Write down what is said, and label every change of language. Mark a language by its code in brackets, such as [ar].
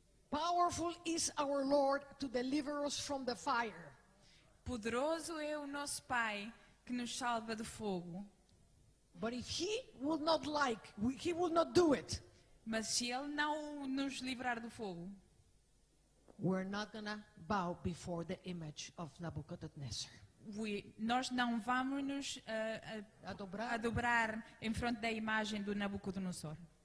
[en] Powerful is our Lord to deliver us from the fire. [pt] Poderoso é o nosso Pai que nos salva do fogo. [en] But if he will not like, he will not do it. [pt] Mas se ele não nos livrar do fogo, we're not going to bow before the image of Nabucodonosor. Nós não vamos nos a dobrar em frente da imagem do Nabucodonosor.